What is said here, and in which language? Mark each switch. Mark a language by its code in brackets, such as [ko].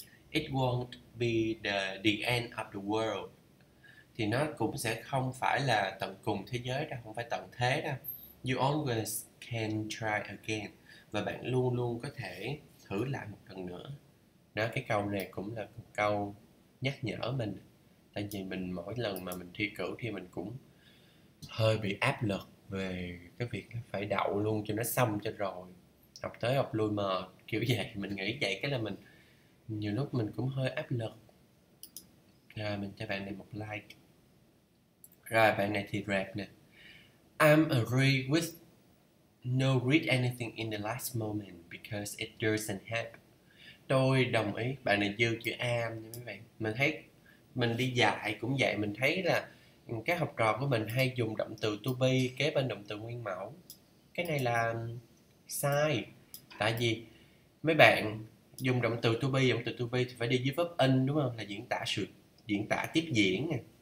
[en] It won't be the end of the world. [vi] Thì nó cũng sẽ không phải là tận cùng thế giới đâu, không phải tận thế đâu. [en] You always can try again. [vi] Và bạn luôn luôn có thể thử lại một lần nữa. Đó, cái câu này cũng là một câu nhắc nhở mình. Tại vì mình mỗi lần mà mình thi cử thì mình cũng hơi bị áp lực về cái việc phải đậu luôn cho nó xong cho rồi. Học tới học lui mà kiểu vậy, mình nghĩ vậy cái là mình nhiều lúc mình cũng hơi áp lực. Rồi mình cho bạn này một like. Rồi bạn này thì rap nè. [en] I'm agree with no read anything in the last moment because it doesn't help. [vi] Tôi đồng ý, bạn này dư chữ am nha mấy bạn. Mình thấy mình đi dạy cũng vậy, mình thấy là các học trò của mình hay dùng động từ to be kế bên động từ nguyên mẫu. Cái này là sai. Tại vì mấy bạn dùng động từ to be, động từ to be thì phải đi với verb in đúng không, là diễn tả sự diễn tả tiếp diễn này.